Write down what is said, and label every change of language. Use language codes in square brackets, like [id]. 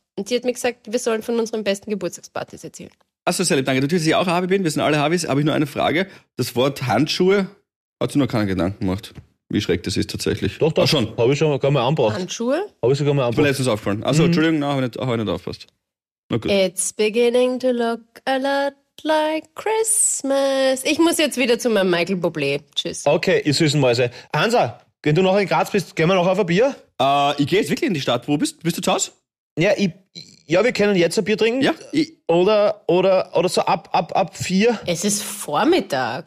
[de] Und sie hat mir gesagt, wir sollen von unseren besten Geburtstagspartys erzählen. Achso, sehr lieb, danke. Natürlich, dass ich auch Harvi bin, wir sind alle Harvis. Habe ich nur eine Frage. Das Wort Handschuhe hat sich noch keinen Gedanken gemacht, wie schräg das ist tatsächlich. Doch, schon. Habe ich schon gar mal anbracht. Handschuhe? Habe ich sogar mal anbracht. Ich bin letztens aufgefallen. Achso, Entschuldigung, nein, habe ich nicht aufgepasst. Na gut. [en] It's beginning to look a lot like Christmas. [de] Ich muss jetzt wieder zu meinem Michael Bublé. Tschüss. Okay, ihr süßen Mäuse. Hansa, wenn du noch in Graz bist, gehen wir noch auf ein Bier? Ich gehe jetzt wirklich in die Stadt. Wo bist du? Bist du zu Hause? Ja, wir können jetzt ein Bier trinken. Ja. Oder so ab vier. Es ist Vormittag.